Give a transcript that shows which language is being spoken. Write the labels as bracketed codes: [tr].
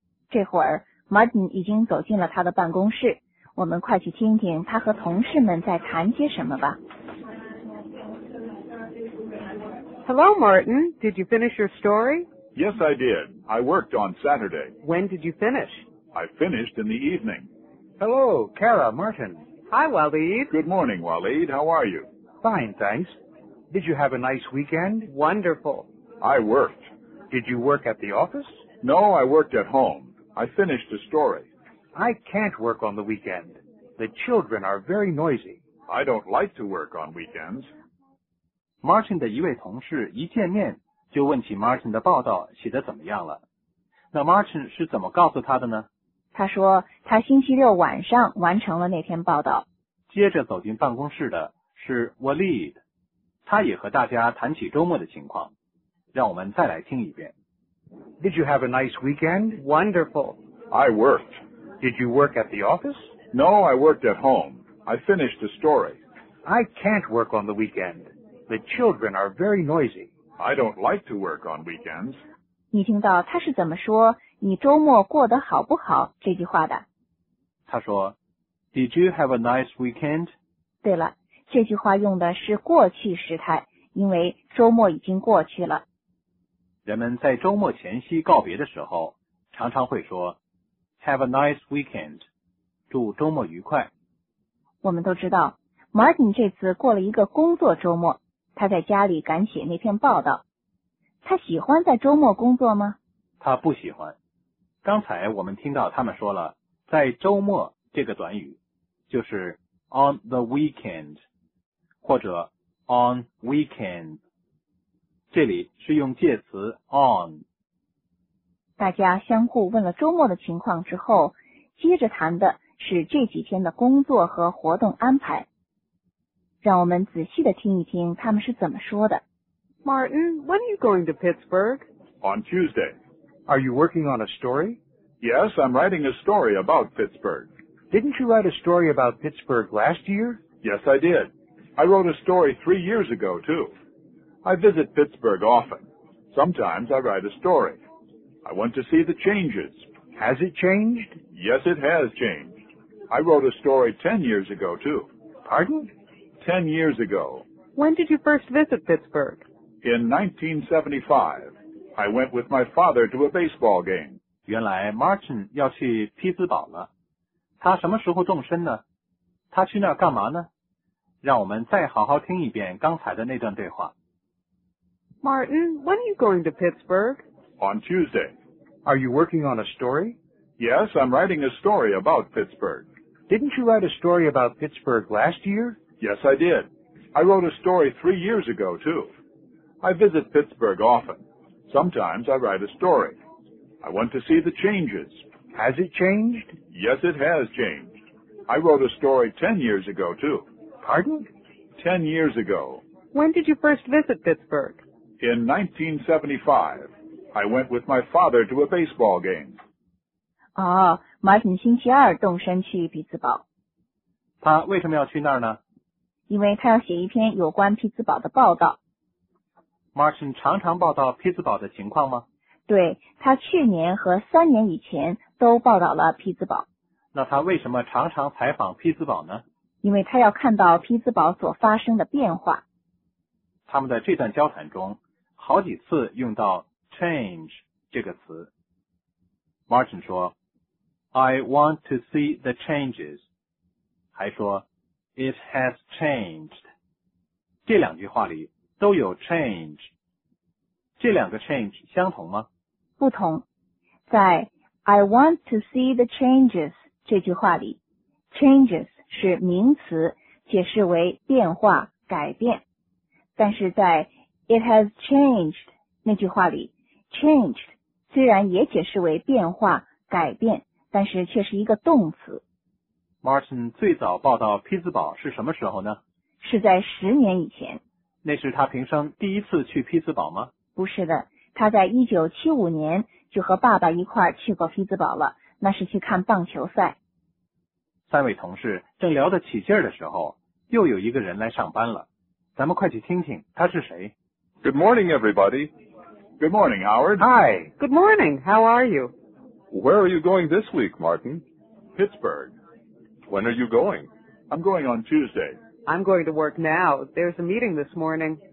[zh] 这会儿 Martin 已经走进了他的办公室，我们快去听听他和同事们在谈些什么吧。 [en] Hello Martin, did you finish your story? Yes I did, I worked on Saturday. When did you finish? I finished in the evening. Hello, Kara, Martin. Hi, Waleed. Good morning, Waleed. How are you? Fine, thanks. Did you have a nice weekend? Wonderful. I worked. Did you work at the office? No, I worked at home. I finished a story. I can't work on the weekend. The children are very noisy. I don't like to work on weekends. [zh] Martin 的一位同事一见面就问起 Martin 的报道写得怎么样了。那 Martin 是怎么告诉他的呢？他说他星期六晚上完成了那篇报道。接着走进办公室的是 Waleed， 他也和大家谈起周末的情况。让我们再来听一遍。 [en] Did you have a nice weekend? Wonderful. I worked. Did you work at the office? No, I worked at home. I finished a story. I can't work on the weekend. The children are very noisy. I don't like to work on weekends. [zh] 你听到他是怎么说你周末过得好不好这句话的？他说 [en] Did you have a nice weekend? [zh] 对了，这句话用的是过去时态，因为周末已经过去了。人们在周末前夕告别的时候常常会说 [en] Have a nice weekend， [zh] 祝周末愉快。我们都知道 Martin 这次过了一个工作周末，他在家里赶写那篇报道。他喜欢在周末工作吗？他不喜欢。刚才我们听到他们说了在周末这个短语，就是 [en] on the weekend [zh] 或者 [en] on weekend， [zh] 这里是用介词 on。大家相互问了周末的情况之后，接着谈的是这几天的工作和活动安排。让我们仔细的听一听他们是怎么说的。 [en] Martin, when are you going to Pittsburgh? On Tuesday. Are you working on a story? Yes, I'm writing a story about Pittsburgh. Didn't you write a story about Pittsburgh last year? Yes, I did. I wrote a story 3 years ago, too. I visit Pittsburgh often. Sometimes I write a story. I want to see the changes. Has it changed? Yes, it has changed. I wrote a story 10 years ago, too. Pardon? 10 years ago. When did you first visit Pittsburgh? In 1975. I went with my father to a baseball game. [zh] 原来 Martin 要去匹兹堡了。他什么时候动身呢？他去那儿干嘛呢？让我们再好好听一遍刚才的那段对话。 [en] Martin, when are you going to Pittsburgh? On Tuesday. Are you working on a story? Yes, I'm writing a story about Pittsburgh. Didn't you write a story about Pittsburgh last year? Yes, I did. I wrote a story 3 years ago, too. I visit Pittsburgh often. Sometimes I write a story. I want to see the changes. Has it changed? Yes, it has changed. I wrote a story 10 years ago, too. Pardon? 10 years ago. When did you first visit Pittsburgh? In 1975, I went with my father to a baseball game. [zh] Oh, Martin 星期二动身去匹兹堡。他为什么要去那儿呢？因为他要写一篇有关匹兹堡的报道。 Martin 常常报道匹兹堡的情况吗？对，他去年和三年以前都报道了匹兹堡。那他为什么常常采访匹兹堡呢？因为他要看到匹兹堡所发生的变化。他们在这段交谈中好几次用到 change 这个词。 [en] Martin [zh] 说 [en] I want to see the changes, [zh] 还说 [en] it has changed. [zh] 这两句话里都有 change。这两个 change 相同吗？不同。在 [en] I want to see the changes [zh] 这句话里 changes 是名词，解释为变化、改变。但是在 [en] it has changed [zh] 那句话里 changed 虽然也解释为变化、改变，但是却是一个动词。 Martin 最早报道匹兹堡是什么时候呢？是在十年以前。那是他平生第一次去匹兹堡吗？不是的，他在1975年就和爸爸一块去过匹兹堡了，那是去看棒球赛。三位同事正聊得起劲儿的时候，又有一个人来上班了。咱们快去听听他是谁。 [en] Good morning, everybody. Good morning, Howard. Hi. Good morning. How are you? Where are you going this week, Martin? Pittsburgh. When are you going? I'm going on Tuesday. I'm going to work now. There's a meeting this morning.